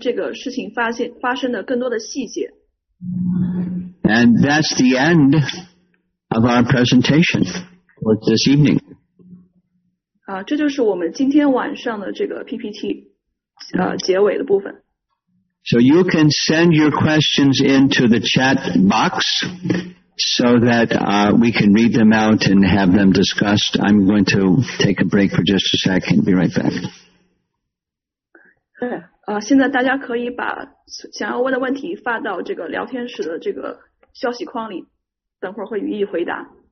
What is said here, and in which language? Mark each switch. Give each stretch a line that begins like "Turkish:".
Chinese: 之后我们会给出这个关于这个事情发生的更多的细节。
English: And that's the end of our presentation for this evening.
Chinese: 这就是我们今天晚上的这个PPT 结尾的部分。
English: So you can send your questions into the chat box so that we can read them out and have them discussed. I'm going to take a break for just a second. Be right back.
Chinese: 现在大家可以把想要问的问题发到这个聊天室的这个消息框里，等会儿会予以回答。